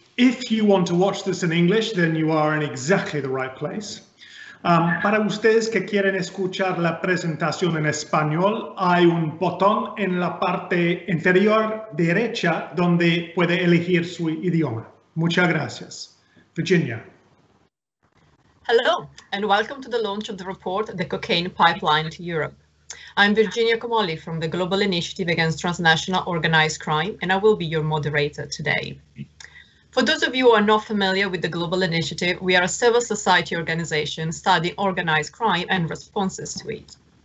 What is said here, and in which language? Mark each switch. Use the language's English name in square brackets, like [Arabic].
[English] If you want to watch this in English, then you are in exactly the right place. [Spanish] Para ustedes que quieren escuchar la presentación en español, hay un botón en la parte inferior derecha donde puede elegir su idioma. Muchas gracias. Virginia. [English] Hello, and welcome to the launch of the report, The Cocaine Pipeline to Europe. I'm Virginia Comolli from the Global Initiative Against Transnational Organized Crime, and I will be your moderator today. For those of you who are not familiar with the Global Initiative, we are a civil society organization studying organized crime and responses to it.